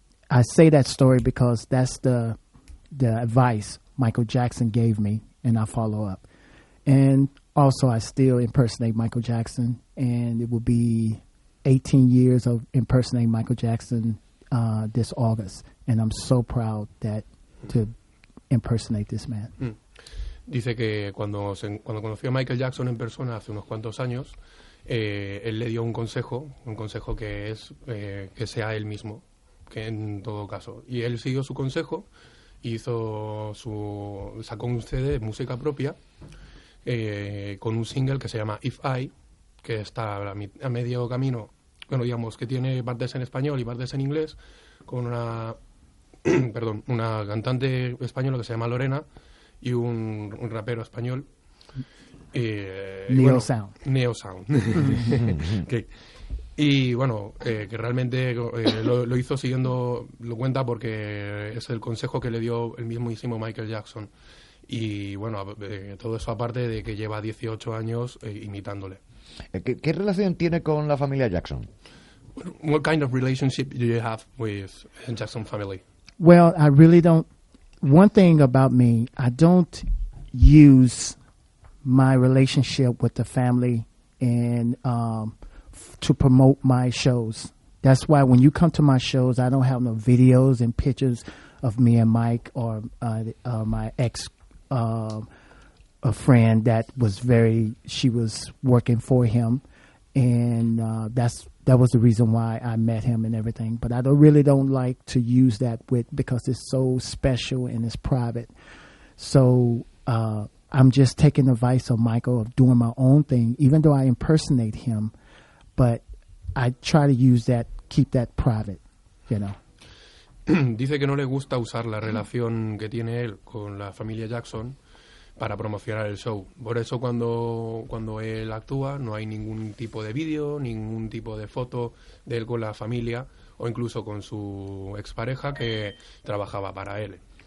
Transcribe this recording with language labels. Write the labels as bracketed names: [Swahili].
[English] I say that story because that's the advice Michael Jackson gave me, and I follow up. And also, I still impersonate Michael Jackson, and it will be 18 years of impersonating Michael Jackson this August. And I'm so proud that to impersonate this man. Mm. [Spanish] Dice que cuando conoció a Michael Jackson en persona hace unos cuantos años, él le dio un consejo que es que sea él mismo, que en todo caso, y él siguió su consejo hizo su, sacó un CD de música propia con un single que se llama If I, que está a medio camino, bueno, digamos que tiene partes en español y partes en inglés, con una perdón, una cantante española que se llama Lorena y un rapero español Neo, bueno, Sound. Neo Sound. Que, y bueno, que realmente lo hizo siguiendo, lo cuenta porque es el consejo que le dio el mismísimo Michael Jackson. Y bueno, todo eso aparte de que lleva 18 años imitándole. ¿Qué relación tiene con la familia Jackson? [English] What kind of relationship do you have with the Jackson family? Well, I really don't. One thing about me, I don't use my relationship with the family and to promote my shows. That's why when you come to my shows, I don't have no videos and pictures of me and Mike or my ex, a friend that was very, she was working for him. And that was the reason why I met him and everything. But I really don't like to use that with, because it's so special and it's private. So I'm just taking advice of Michael of doing my own thing, even though I impersonate him. But I try to use that, keep that private, you know. [Spanish] Dice que no le gusta usar la relación que tiene él con la familia Jackson para promocionar el show. Por eso cuando él actúa no hay ningún tipo de vídeo, ningún tipo de foto de él con la familia o incluso con su expareja que trabajaba para él.